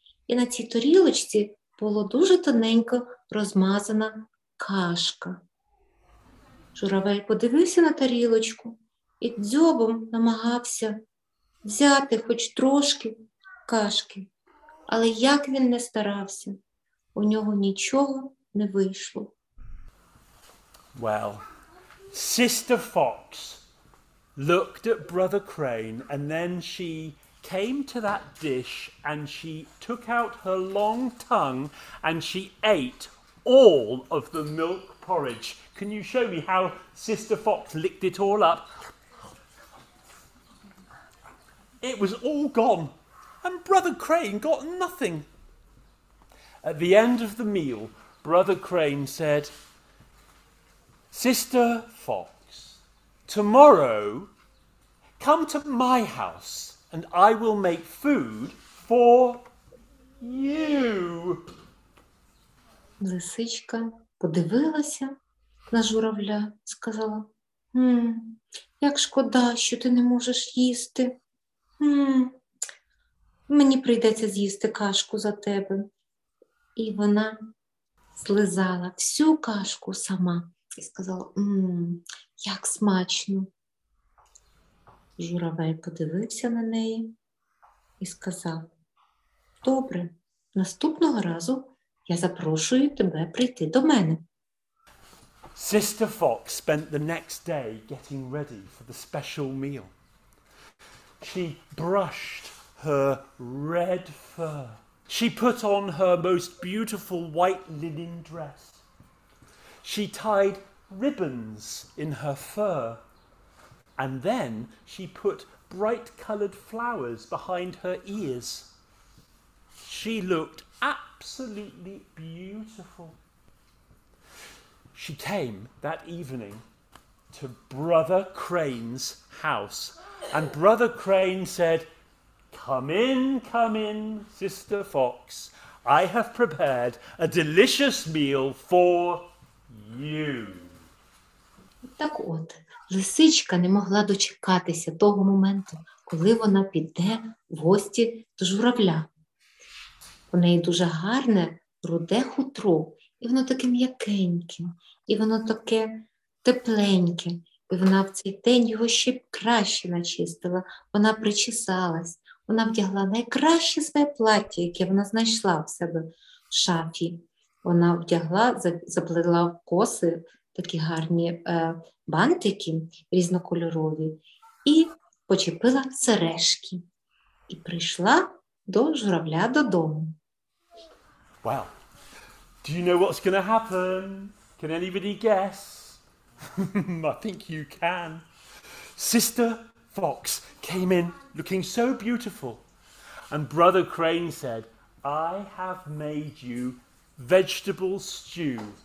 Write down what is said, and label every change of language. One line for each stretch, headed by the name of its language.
Ukrainian: І на цій тарілочці було дуже тоненько розмазана кашка. Журавель подивився на тарілочку і дзьобом намагався взяти хоч трошки кашки. Але як він не старався, у нього нічого не вийшло.
English: Well, Sister Fox looked at Brother Crane and then she came to that dish and she took out her long tongue and she ate all of the milk porridge. Can you show me how Sister Fox licked it all up? It was all gone, and Brother Crane got nothing. At the end of the meal, Brother Crane said, "Sister Fox, tomorrow come to my house and I will make food for you."
Ukrainian: Лисичка подивилася на журавля, сказала, як шкода, що ти не можеш їсти. Мені прийдеться з'їсти кашку за тебе. І вона злизала всю кашку сама і сказала, як смачно. Журавель подивився на неї і сказав, добре, наступного разу я запрошую тебе прийти до мене.
English: Sister Fox spent the next day getting ready for the special meal. She brushed her red fur. She put on her most beautiful white linen dress. She tied ribbons in her fur. And then she put bright coloured flowers behind her ears. She looked absolutely beautiful. She came that evening to Brother Crane's house. And Brother Crane said, come in, Sister Fox. I have prepared a delicious meal for you."
Ukrainian: Так от, лисичка не могла дочекатися того моменту, коли вона піде в гості до журавля. У неї дуже гарне руде хутро, і воно таке м'якеньке, і воно таке тепленьке. І вона в цей день його ще краще начистила. Вона причесалась, вона вдягла найкраще своє плаття, яке вона знайшла в себе в шафі. Вона вдягла, заплела в коси такі гарні бантики різнокольорові і почепила сережки. І прийшла до журавля додому.
English: Well, do you know what's going to happen? Can anybody guess? I think you can. Sister Fox came in looking so beautiful. And Brother Crane said, "I have made you vegetable stew.